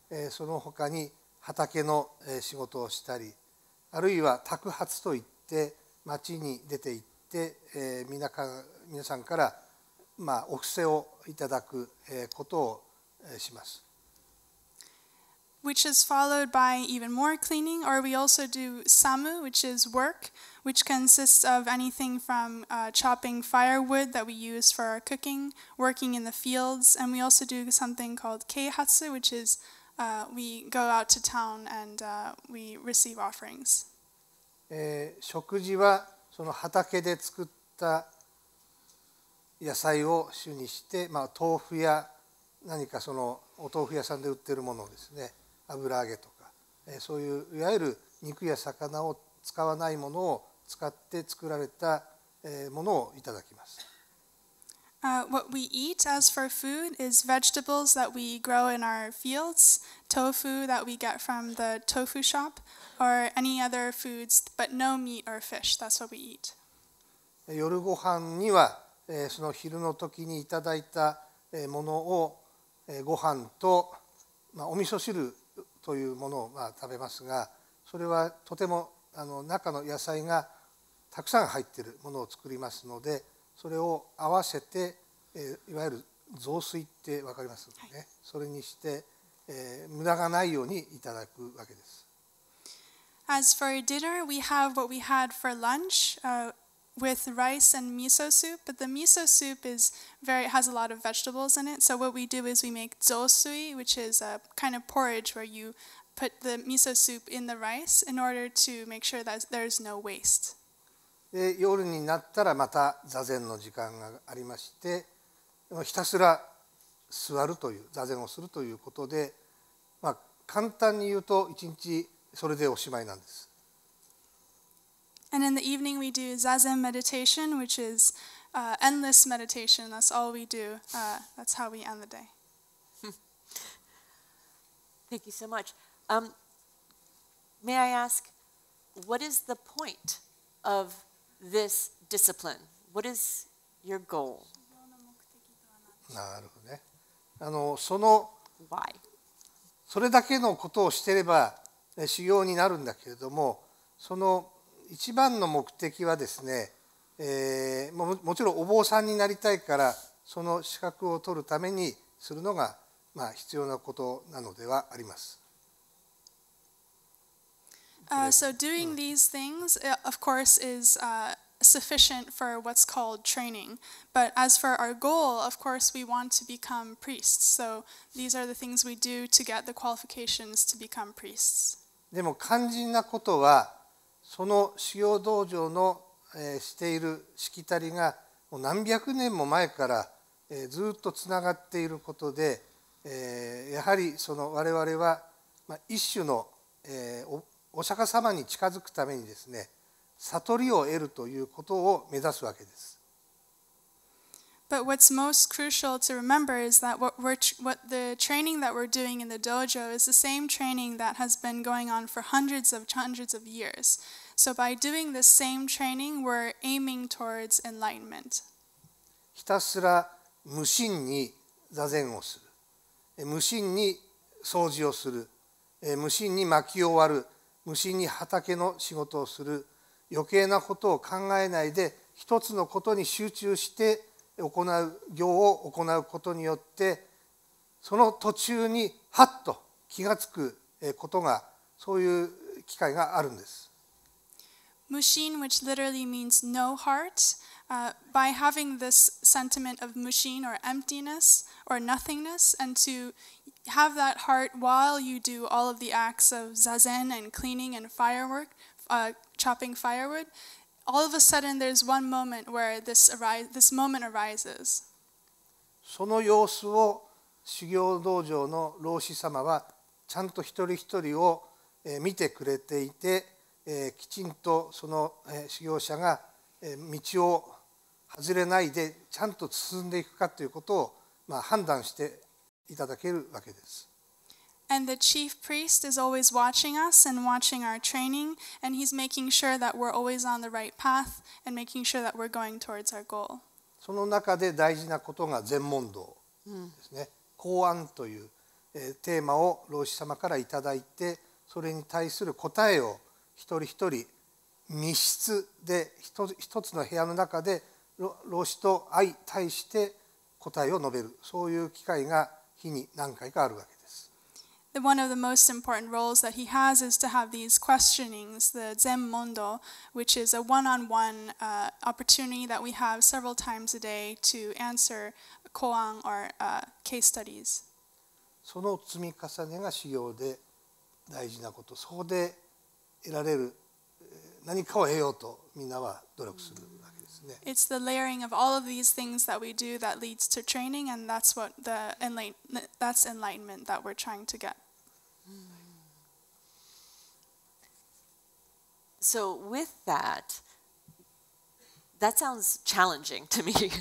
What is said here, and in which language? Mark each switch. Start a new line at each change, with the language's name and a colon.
Japanese: その他に畑の仕事をしたり、あるいは宅発といって町に出て行って、皆さんから、まあ、お布施をいただくことをします。
English: Which is followed by even more cleaning, or we also do samu, which is work, which consists of anything from chopping firewood that we use for our cooking, working in the fields, and we also do something called keihatsu, which is we go out to town and we receive offerings.
Japanese: 食事はその畑で作った野菜を主にして、まあ、豆腐や何かそのお豆腐屋さんで売ってるものですね。油揚げとか、そういういわゆる肉や魚を使わないものを使って作られたものをいただきます。
English: What we eat as for food is vegetables that we grow in our fields, tofu that we get from the tofu shop, or any other foods, but no meat or fish. That's what we eat.
Japanese: 夜ご飯には、その昼の時にいただいたものを、ご飯と、まあ、お味噌汁というものをまあ食べますが、それはとても中の野菜がたくさん入っているものを作りますので、それを合わせて、いわゆる雑炊ってわかりますよね、はい、それにして、無駄がないようにいただくわけです。
English: As for dinner, we have what we had for lunch, with rice and miso soup, but the miso soup has a lot of vegetables in it. So what we do is we make zosui, which is a kind of porridge where you put the miso soup in the rice in order to make sure that there's no waste.
Japanese: で、夜になったらまた座禅の時間がありまして、ひたすら座るという、座禅をするということで、まあ、簡単に言うと一日それでおしまいなんです。
English: And in the evening we do zazen meditation, which is endless meditation. That's all we do. That's how we end the day. Thank you so much. May I ask, what is the point of this discipline? What is your goal?
Japanese: なるほどね。その、
English: Why?
Japanese: それだけのことをしてれば、修行になるんだけれども、その一番の目的はですね、もちろんお坊さんになりたいからその資格を取るためにするのが、まあ、必要なことなのではあります。
English: So doing these things, of course, is sufficient for what's called training. But as for our goal, of course, we want to become priests. So these are the things we do to get the qualifications to become priests.
Japanese: でも肝心なことは、その修行道場の、しているしきたりがもう何百年も前から、ずっとつながっていることで、やはりその我々は、まあ、一種の、お釈迦様に近づくためにですね、悟りを得るということを目指すわけです。
English: But what's most crucial to remember is that what the training that we're doing in the dojo is the same training that has been going on for hundreds of years. So by doing the same training, we're aiming towards enlightenment.
Japanese: ひたすら無心に座禅をする。無心に掃除をする。無心に薪を割る。無心に畑の仕事をする。余計なことを考えないで一つのことに集中して行う行を行うことによってその途中にハッと気がつくことがそういう機会があるんです。
English: 無心 which literally means no heart、by having this sentiment of 無心 or emptiness or nothingness and toHave that heart while you do all of the acts of zazen and cleaning and firework, chopping firewood. All of a sudden, there's one moment where this moment arises.
Japanese: その様子を修行道場の老師様はちゃんと一人一人を見てくれていて、きちんとその修行者が道を外れないでちゃんと進んでいくかということをまあ判断して。いただけるわけです。
English: And the chief priest is always watching us and watching our training, and he's making sure that we're always on the right path and making sure that we're going towards our goal.
Japanese: その中で大事なことが禅問答ですね。公案という、テーマを老師様からいただいて、それに対する答えを一人一人密室で一つの部屋の中で老師と相対して答えを述べる、そういう機会が日に何回かあるわけです。
English: One of the most important roles that he has is to have these questionings, the Zen Mondo, which is a one-on-one opportunity that we have several times a day to answer koan or case studies.
Japanese: その積み重ねが修行で大事なこと、そこで得られる何かを得ようとみんなは努力する。
English: It's the layering of all of these things that we do that leads to training, and that's what that's enlightenment that we're trying to get. So with that, that sounds challenging to me.